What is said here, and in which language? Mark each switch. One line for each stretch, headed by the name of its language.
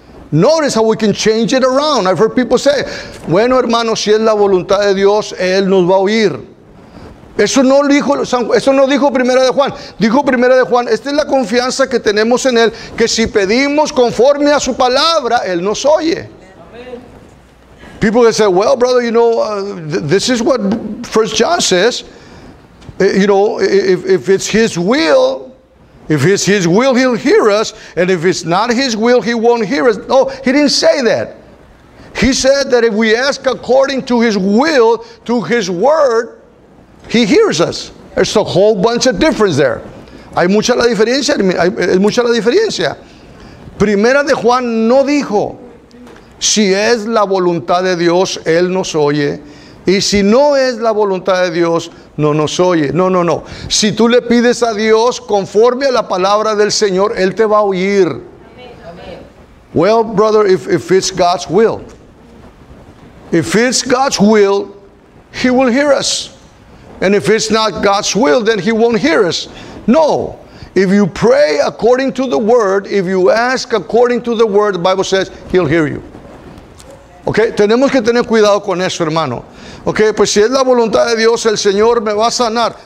English: Notice how we can change it around. I've heard people say,
Spanish: bueno, hermano, si es la voluntad de Dios, él nos va a oír. Eso no dijo Primera de Juan. Dijo Primera de Juan, esta es la confianza que tenemos en él, que si pedimos conforme a su palabra, él nos oye.
English: People say, well, brother, you know, this is what First John says. You know, if it's his will, if it's his will, he'll hear us. And if it's not his will, he won't hear us. No, he didn't say that. He said that if we ask according to his will, to his word, he hears us. There's a whole bunch of difference there.
Spanish: Hay mucha la diferencia. Primera de Juan no dijo, si es la voluntad de Dios, él nos oye. Y si no es la voluntad de Dios, no nos oye. No, no, no. Si tú le pides a Dios conforme a la palabra del Señor, él te va a oír.
English: Amen. Well, brother, if it's God's will. If it's God's will, he will hear us. And if it's not God's will, then he won't hear us. No. If you pray according to the word, if you ask according to the word, the Bible says he'll hear you.
Spanish: Okay, tenemos que tener cuidado con eso, hermano. Okay, pues si es la voluntad de Dios, el Señor me va a sanar.